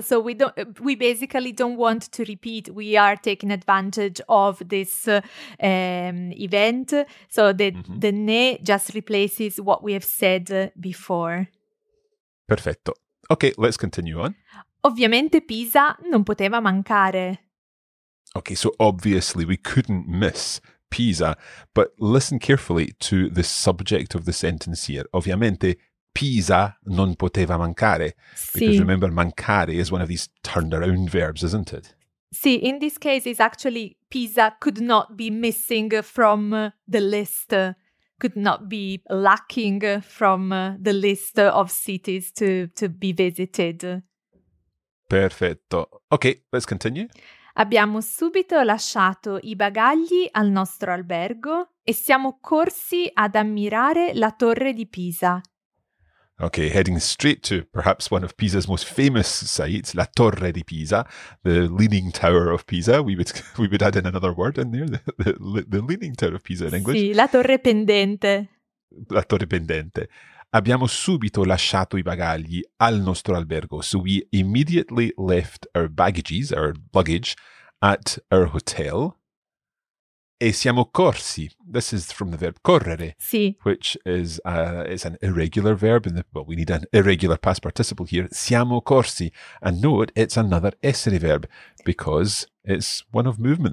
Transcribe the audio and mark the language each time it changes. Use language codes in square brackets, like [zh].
[en] So we don't. We basically don't want to repeat. We are taking advantage of this event. So the ne just replaces what we have said before. Perfetto. Okay, let's continue on. [it] Ovviamente Pisa non poteva mancare. [en] Okay, so obviously we couldn't miss Pisa, but listen carefully to the subject of the sentence here. [it] Ovviamente Pisa non poteva mancare. Sì. [en] Because remember, mancare is one of these turned around verbs, isn't it? Sì, in this case it's actually Pisa could not be missing from the list, could not be lacking from the list of cities to be visited. Perfetto. Okay, let's continue. [it] Abbiamo subito lasciato i bagagli al nostro albergo e siamo corsi ad ammirare la torre di Pisa. [en] Okay, heading straight to perhaps one of Pisa's most famous sites, la Torre di Pisa, the Leaning Tower of Pisa. We would add in another word in there, the Leaning Tower of Pisa in English. [it] Sì, la Torre Pendente. La Torre Pendente. Abbiamo subito lasciato i bagagli al nostro albergo. [en] So we immediately left our baggages, our luggage, at our hotel. [it] E siamo corsi. [en] This is from the verb correre. [it] Sì. [en] Which is it's an irregular verb. We need an irregular past participle here. [it] Siamo corsi. [en] And note, it's another essere verb because it's one of movement.